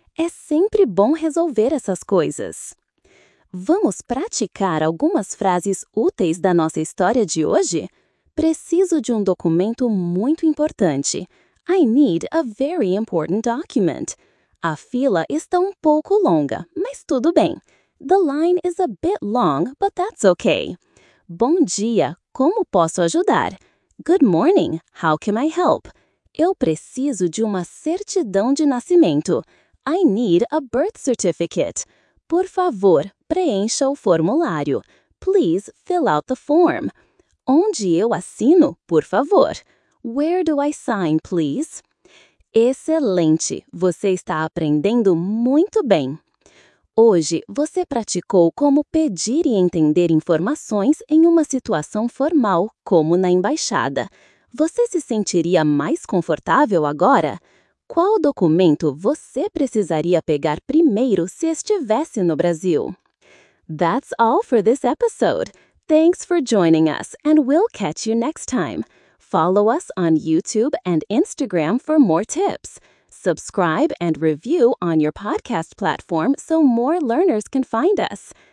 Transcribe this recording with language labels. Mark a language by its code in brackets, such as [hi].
[pt] É sempre bom resolver essas coisas. Vamos praticar algumas frases úteis da nossa história de hoje? Preciso de documento muito importante. [en] I need a very important document. [pt] A fila está pouco longa, mas tudo bem. [en] The line is a bit long, but that's okay. [pt] Bom dia, como posso ajudar? [en] Good morning, how can I help? [pt] Eu preciso de uma certidão de nascimento. [en] I need a birth certificate. [pt] Por favor, preencha o formulário. [en] Please fill out the form. [pt] Onde eu assino, por favor? [en] Where do I sign, please? [pt] Excelente! Você está aprendendo muito bem! Hoje, você praticou como pedir e entender informações em uma situação formal, como na embaixada. Você se sentiria mais confortável agora? Qual documento você precisaria pegar primeiro se estivesse no Brasil? [en] That's all for this episode. Thanks for joining us, and we'll catch you next time. Follow us on YouTube and Instagram for more tips. Subscribe and review on your podcast platform so more learners can find us.